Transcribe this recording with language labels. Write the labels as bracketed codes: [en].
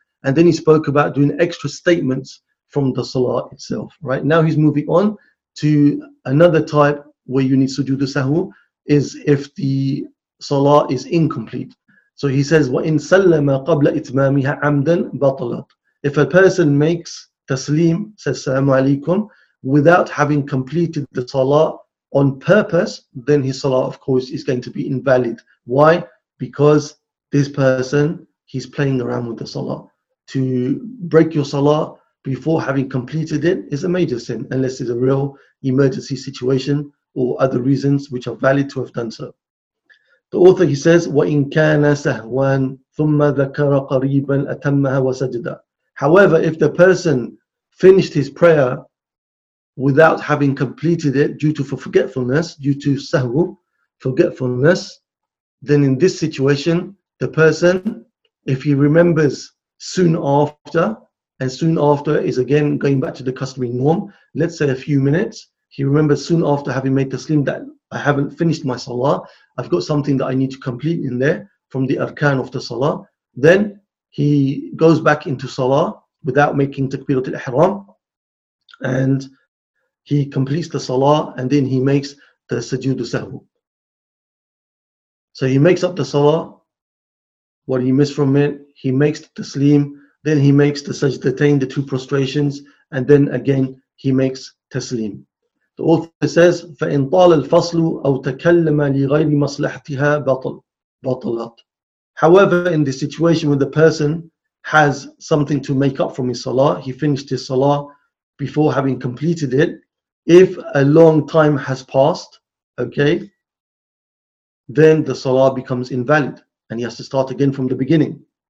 [en] And then he spoke about doing extra statements from the salah itself, right? Now he's moving on to another type where you need sujood sahwu, is if the salah is incomplete. So he says, [ar] وَإِن سَلَّمَ قَبْلَ إِتْمَامِهَا عَمْدًا بَطَلَتْ. [en] If a person makes taslim, says salamu alaykum, without having completed the salah on purpose, then his salah, of course, is going to be invalid. Why? Because this person, he's playing around with the salah. To break your salah before having completed it is a major sin, unless it's a real emergency situation or other reasons which are valid to have done so. The author, he says, [ar] وَإِن كَانَ سَهْوًا ثُمَّ ذَكَرَ قَرِيبًا أَتَمَّهَا وَسَجِدًا. [en] However, if the person finished his prayer without having completed it due to forgetfulness, due to sahw, forgetfulness, then in this situation, the person, if he remembers soon after, and soon after is again going back to the customary norm, let's say a few minutes, he remembers soon after having made taslim that I haven't finished my salah, I've got something that I need to complete in there from the arkan of the salah, then he goes back into salah without making takbiratul ihram, and he completes the salah and then he makes the sajood sahwu. So he makes up the salah, what he missed from it, he makes the taslim, then he makes the sajdatain, the two prostrations, and then again he makes taslim. The author says, [ar] فَإِن طَالَ الْفَصْلُ أَوْ تَكَلَّمَ لِغَيْرِ مَصْلَحْتِهَا بَطَلَتْ. [en] However, in the situation where the person has something to make up from his salah, he finished his salah before having completed it, if a long time has passed, okay, then the salah becomes invalid and he has to start again from the beginning.